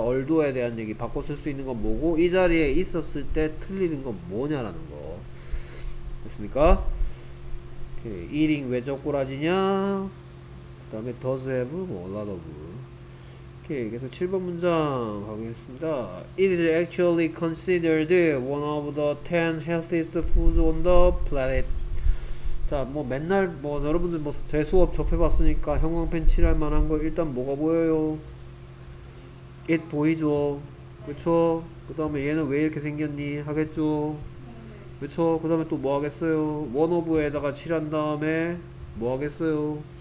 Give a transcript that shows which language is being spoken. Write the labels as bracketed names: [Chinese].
[Korean] 얼도에 대한 얘기, 바꿔 쓸 수 있는 건 뭐고 이 자리에 있었을 때 틀리는 건 뭐냐라는 거. 됐습니까? 오케이. eating 왜 젖꼬라지냐, 그 다음에 does have 뭐 a lot of. 오케이. 그래서 7번 문장 가겠습니다. [English] It is actually considered one of the 10 healthiest foods on the planet. [Korean] 자, 뭐 맨날 뭐 여러분들 뭐 제 수업 접해봤으니까 형광펜 칠할 만한 거 일단 뭐가 보여요? It 보이죠? 그쵸? 그 다음에 얘는 왜 이렇게 생겼니? 하겠죠? 그쵸? 그 다음에 또 뭐 하겠어요? One of에다가 칠한 다음에 뭐 하겠어요?